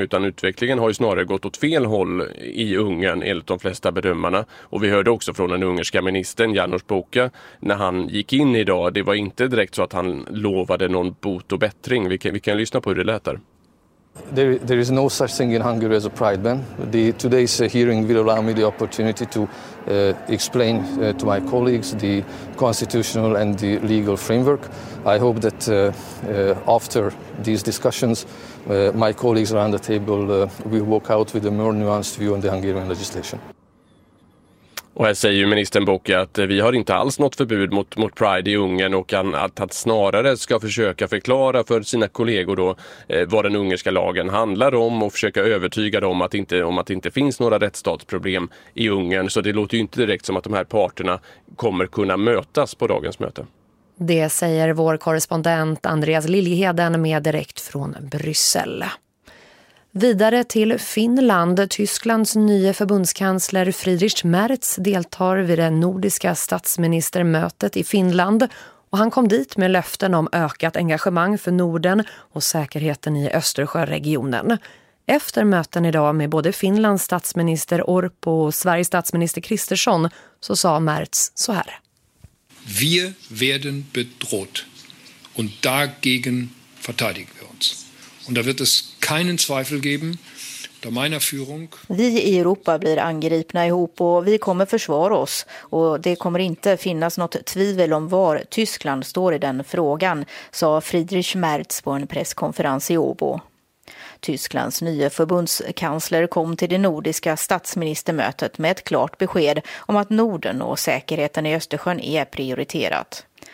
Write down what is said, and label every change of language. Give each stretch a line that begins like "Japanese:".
Swedish: Utan utvecklingen har ju snarare gått åt fel håll i Ungern, enligt de flesta bedömarna. Och vi hörde också från den ungerska ministern, Janos Boka, när han gick in idag. Det var inte direkt så att han lovade någon bot och bättring. Vi kan lyssna på hur det lät där.
English: There is no such thing in Hungary as a pride ban. Today's hearing will allow me the opportunity to explain to my colleagues the constitutional and the legal framework. I hope that after these discussions my colleagues around the table will walk out with a more nuanced view on the Hungarian legislation.
Swedish: Och här säger ju ministern Boka att vi har inte alls något förbud mot Pride i Ungern och att han snarare ska försöka förklara för sina kollegor då vad den ungerska lagen handlar om och försöka övertyga dem att det inte finns några rättsstatsproblem i Ungern. Så det låter ju inte direkt som att de här parterna kommer kunna mötas på dagens möte. Det säger vår korrespondent Andreas Liljeheden med direkt från Bryssel. Vidare till Finland. Tysklands nya förbundskansler Friedrich Merz deltar vid det nordiska statsministermötet i Finland. Och han kom dit med löften om ökat engagemang för Norden och säkerheten i Östersjöregionen. Efter möten idag med både Finlands statsminister Orpo och Sveriges statsminister Kristersson så sa Merz så här.
German: Vi werden bedroht und dagegen verteidigen wir uns. Und da wird es keinen Zweifel geben, da meiner Führung.
Swedish: Vi i Europa blir angripna ihop och vi kommer försvara oss. Och det kommer inte finnas något tvivel om var Tyskland står i den frågan, sa Friedrich Merz på en presskonferens i Åbo. Tysklands nya förbundskansler kom till det nordiska statsministermötet med ett klart besked om att Norden och säkerheten i Östersjön är prioriterat.